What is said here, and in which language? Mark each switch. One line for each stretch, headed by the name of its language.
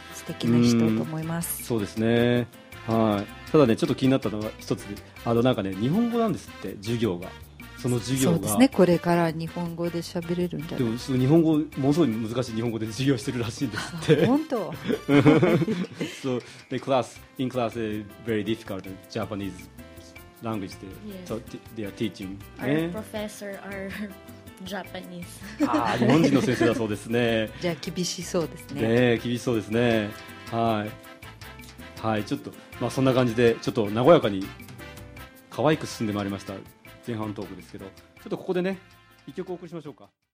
Japanese: 素敵な人と思います。うそうですね、はい、ただねちょっと気になったのが一つ、あのなんかね日本語なんですって授業が、その授業が。そうですね、これから日本語で喋れるんじゃない。でもその日本語ものすごい難しい日本語で授業してるらしいんですって。本当
English: So the class, in class is very difficult Japanese language they, yes. they are teaching. Our、ね、professor are Japanese.
Japanese: あ、日本人の先生だそうですね。じゃあ厳しそうですね。ね、厳しそうですね。はい、はい、ちょっと、まあ、そんな感じでちょっと和やかに可愛く進んでまいりました前半トークですけど、ちょっとここでね一曲お送りしましょうか。